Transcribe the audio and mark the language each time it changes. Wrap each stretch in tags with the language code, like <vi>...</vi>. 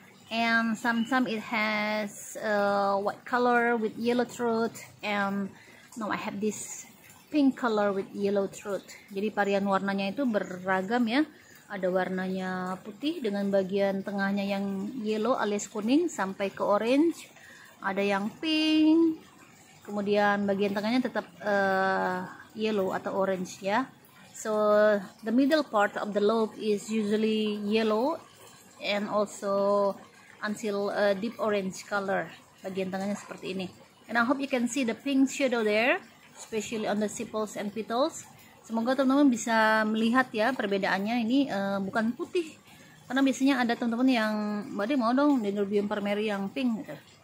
<en>And sometimes it has white color with yellow throat, and now I have this pink color with yellow throat.</en> <id>Jadi varian warnanya itu beragam, ya. Ada warnanya putih dengan bagian tengahnya yang yellow alias kuning sampai ke orange. Ada yang pink. Kemudian bagian tengahnya tetap yellow atau orange, ya.</id> <en>So the middle part of the lobe is usually yellow and also until a deep orange color.</en> <id>Bagian tengahnya seperti ini.</id> <en>And I hope you can see the pink shadow there, especially on the sepals and petals.</en> <id>Semoga teman-teman bisa melihat, ya, perbedaannya. Ini bukan putih, karena biasanya ada teman-teman yang bade mau dong dendrobium farmeri yang pink gitu.</id>